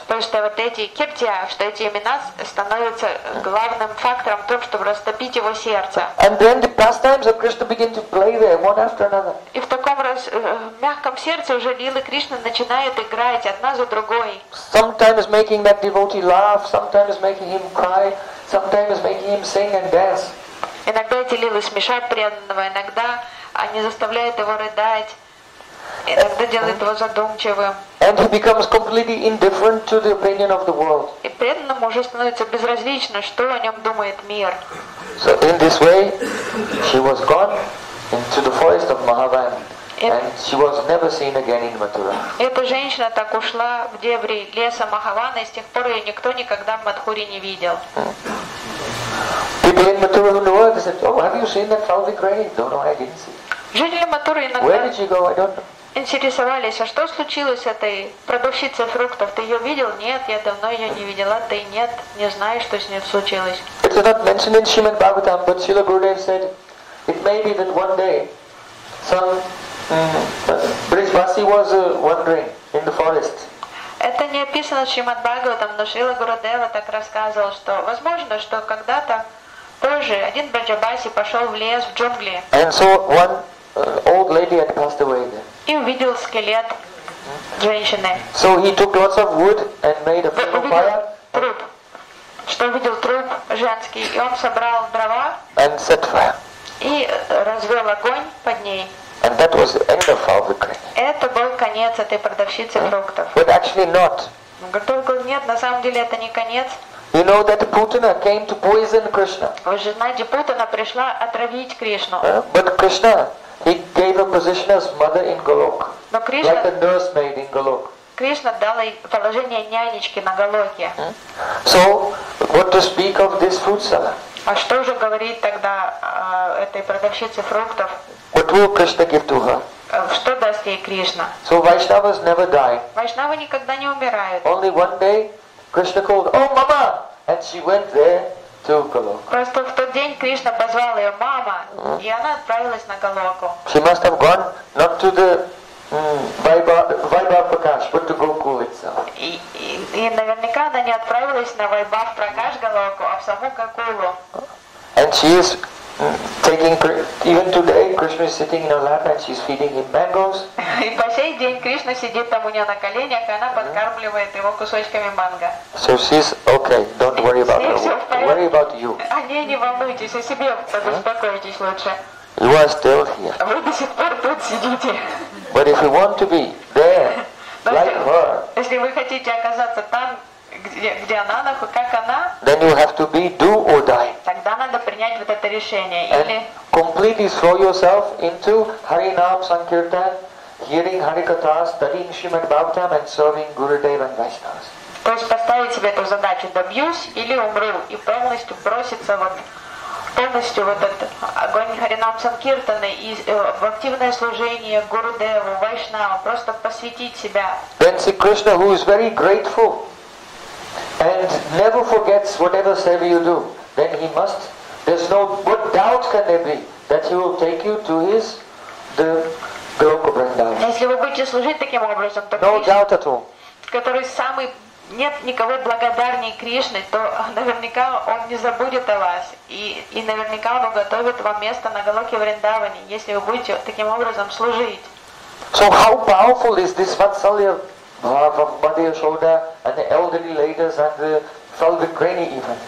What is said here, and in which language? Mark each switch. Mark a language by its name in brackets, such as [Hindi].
[Russian] Потому что вот эти киртия, что эти имена становятся главным фактором в том, чтобы растопить его сердце. [English] And then the pastimes of Krishna begin to play there one after another. [Russian] И в таком мягком сердце уже лилы Кришны начинают играть одна за другой. [English] Sometimes making that devotee laugh, sometimes making him cry, sometimes making him sing and dance. [Russian] Иногда эти лилы смешат преданного, иногда они заставляют его рыдать. [English] And he becomes completely indifferent to the opinion of the world. [Russian] И преданному уже становится безразлично, что о нем думает мир. [English] So in this way, she was gone into the forest of Mahavan, and she was never seen again in Mathura. [Russian] Эта женщина так ушла в дебри леса Махавана, и с тех пор ее никто никогда в Матхуре не видел. [English] People in Mathura who knew her, they said, "Oh, have you seen that filthy grave?" "No, no, I didn't see." [Russian] Жители Матуры иногда. [English] Where did you go? I don't know. [Russian] Интересовались, а что случилось с этой продавщицей фруктов? Ты ее видел? Нет, я давно ее не видела. Ты нет, не знаю, что с ней случилось. [English] It's not mentioned in Srimad Bhagavatam, but Srila Gurudev said, it may be that one day some Brijvasi was wandering in the forest. [Russian] Это не описано в Шримад Бхагаватам, но Шрила Гурудева так рассказывал, что возможно, что когда-то позже один Брижбаси пошел в лес, в джунгли. [English] And so one old lady had passed away then. [Russian] И увидел скелет женщины. [English] So he took lots of wood and made a funeral fire. [Russian] Труп. Что увидел труп женский, и он собрал дрова. [English] And set fire. [Russian] И развел огонь под ней. [English] And that was the end of Falvikri. [Russian] Это был конец этой продавщицы фруктов. [English] But actually not. [Russian] Только нет, на самом деле это не конец. [English] You know that Putana came to poison Krishna. [Russian] Вы же знаете, Путана пришла отравить Кришну. [English] But Krishna, he gave a position as mother in Golok, Krishna, like a nursemaid in Golok. [Russian] Krishna дал ей положение нянечки на Голоке. [English] So, what to speak of this fruit seller? [Russian] А что же говорить тогда этой продавщице фруктов? [English] What will Krishna give to her? [Russian] Что даст ей Кришна? [English] So Vaishnavas never die. [Russian] Вайшнавы никогда не умирают. [English] Only one day, Krishna called, "Oh, Mama!" And she went there. [Russian] Просто в тот день Кришна позвал ее мама, и она отправилась на Голоку. [English] She must have gone not to the Vaibhav Prakash, but to Gokul itself. [Russian] И наверняка она не отправилась на Vaibhav Prakash Голоку, а в саму Гокулу. [English] And she is taking, even today, Krishna is sitting in her lap and she is feeding him mangoes. [Russian] И по сей день Кришна сидит там у нее на коленях, и она подкармливает его кусочками манго. [English] So she's okay, don't worry about her. Worry about you. [Russian] О ней не волнуйтесь, о себе подуспокойтесь лучше. [English] You are still here. [Russian] Вы до сих пор тут сидите. [English] But if you want to be there, like her, [Russian] если вы хотите оказаться там, где она, как она, [English] then you have to be do or die. [Russian] Тогда надо принять вот это решение. [English] And completely throw yourself into Harinam Sankirtan, hearing Harikatha, studying Srimad Bhagavatam and serving Gurudev and Vaishnavas. [Russian] То есть поставить себе эту задачу, добьюсь или умру, и полностью броситься вот полностью в этот огонь Харинам Санкиртаны и в активное служение Гурудеву, Вайшнаву, просто посвятить себя. [English] Then see Krishna, who is very grateful and never forgets whatever service you do, then he must, there's no what doubt can there be that he will take you to his the Goloka Vrindavan. [Russian] Если вы будете служить таким образом, то [English] no doubt at all. [Russian] Который самый нет никого благодарнее Кришны, то наверняка он не забудет о вас. И наверняка он уготовит вам место на Голоке Вриндаване, если вы будете таким образом служить. [English] So how powerful is this Vatsalya Bhava of Mother Yashoda and the elderly ladies and the Feldenkrani even?